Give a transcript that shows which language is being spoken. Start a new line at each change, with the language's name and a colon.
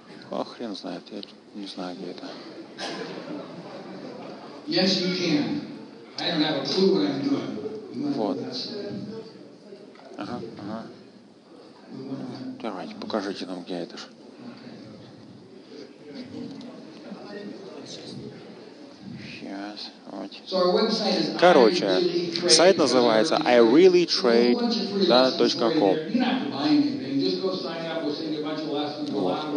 Russian: О, хрен знает, я не знаю, где это.
English: Yes, you can. I don't have a clue what I'm doing.
Russian: Вот. Ага, ага. Давайте, покажите нам, где это же. Сейчас, вот. Короче, сайт называется ireallytrade.com. Вот.